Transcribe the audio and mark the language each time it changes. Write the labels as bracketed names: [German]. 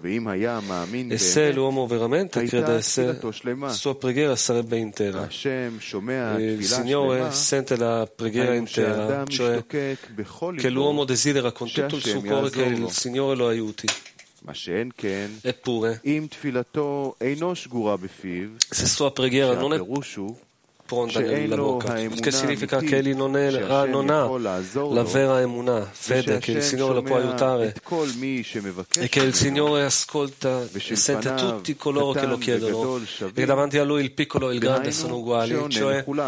[Italian] E se l'uomo veramente credesse, sua preghiera sarebbe intera. Il Signore sente la preghiera intera, cioè che l'uomo desidera con tutto il suo cuore che il Signore lo aiuti. [Hebrew] מה שאין כן, [Italian] eppure, [Hebrew] אם תפילתו אינו שגורה בפיו, [Italian] se sua preghiera non è pronta nella bocca, che significa che egli non ha la vera emunah, fede che il Signore lo può aiutare, e che il Signore ascolta e sente tutti coloro che lo chiedono, e davanti a lui il piccolo e il grande sono uguali, cioè